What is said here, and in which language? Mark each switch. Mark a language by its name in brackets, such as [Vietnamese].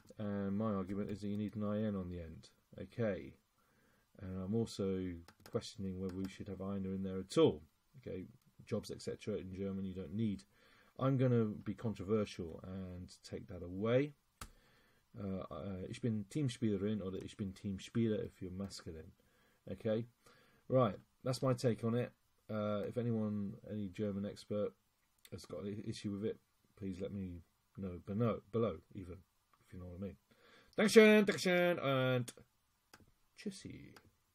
[English] And my argument is that you need an IN on the end, okay? And I'm also questioning whether we should have einer in there at all, okay? Jobs, etc. In German, you don't need. I'm going to be controversial and take that away. [German] Ich bin Teamspielerin, [English] or [German] ich bin Teamspieler [English] if you're masculine. Okay, right, that's my take on it. If anyone, any German expert, has got an issue with it, please let me know below, even if you know what I mean. [German] Dankeschön, Dankeschön, [English] and [German] tschüssi.